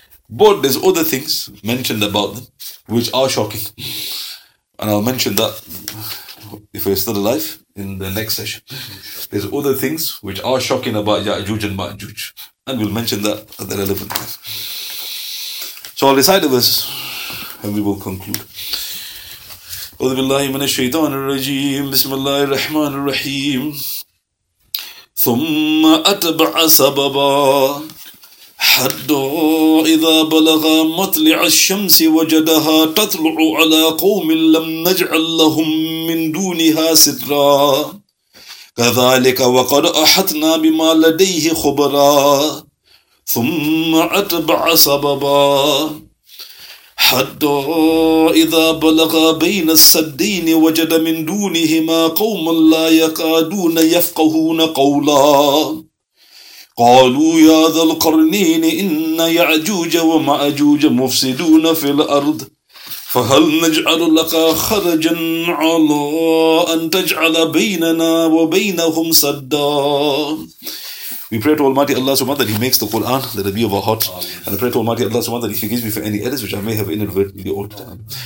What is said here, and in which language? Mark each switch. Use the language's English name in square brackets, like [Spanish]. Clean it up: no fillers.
[English] But there's other things mentioned about them, which are shocking. And I'll mention that, if we're still alive, in the next session. There's other things which are shocking about Ya'juj and Ma'juj. And we'll mention that at the relevant time. So I'll recite the verses. and we will conclude. [Arabic] أعوذ بالله من الشيطان الرجيم بسم الله الرحمن الرحيم ثم أتبع سببا حتى إذا بلغ مطلع الشمس وجدها تطلع على قوم لم نجعل لهم من دونها سترا كذلك وقد أحطنا بما لديه خبرا ثم أتبع سببا حتى إذا بلغ بين السدين وجد من دونهما قوما لا يكادون يفقهون قولا قالوا يا ذا القرنين إن يعجوج ومأجوج مفسدون في الأرض فهل نجعل لك خرجا على أن تجعل بيننا وبينهم سدا. [English] We pray to Almighty Allah subhanahu wa ta'ala that He makes the Quran the Rabi of our heart. Amen. And I pray to Almighty Allah subhanahu wa ta'ala that He forgives me for any errors which I may have inadvertently altered.